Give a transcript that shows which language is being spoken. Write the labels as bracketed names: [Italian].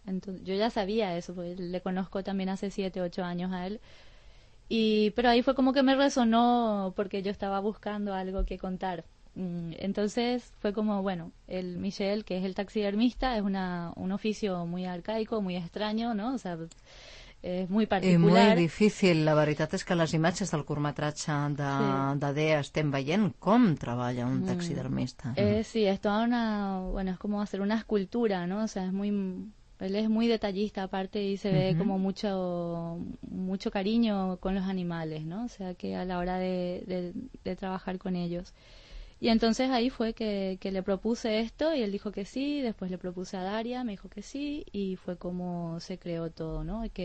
[Spanish] Entonces, yo ya sabía eso, porque le conozco también hace 7-8 años a él. Pero ahí fue como que me resonó porque yo estaba buscando algo que contar. Entonces fue como, bueno, el Michelle, que es el taxidermista, es un oficio muy arcaico, muy extraño, ¿no? O sea, es muy particular. [Catalan] I molt difícil. La veritat és que les imatges del curtmetratge de Dea estem veient com treballa un taxidermista. [Spanish] Sí, és toda una... Bueno, es como hacer una escultura, ¿no? O sea, es muy... Él es muy detallista, aparte, y se ve como mucho, mucho cariño con los animales, ¿no? O sea, que a la hora de trabajar con ellos. Y entonces ahí fue que le propuse esto y él dijo que sí, después le propuse a Daria, me dijo que sí y fue como se creó todo, ¿no?